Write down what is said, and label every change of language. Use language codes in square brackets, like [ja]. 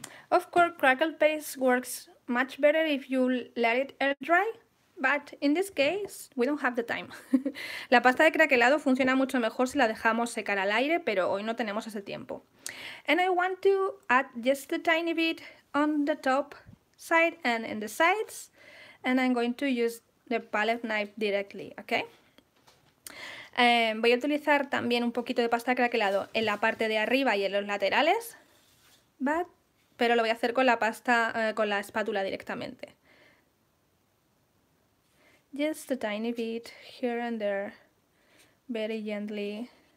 [en] Of course, crackle paste works much better if you let it air dry, but in this case, we don't have the time. [es] La pasta de craquelado funciona mucho mejor si la dejamos secar al aire, pero hoy no tenemos ese tiempo. [en] And I want to add just a tiny bit on the top side and in the sides, and I'm going to use the palette knife directly, okay? [es] Voy a utilizar también un poquito de pasta de craquelado en la parte de arriba y en los laterales, pero lo voy a hacer con la pasta, con la espátula directamente. [en] Just a tiny bit here and there, very gently.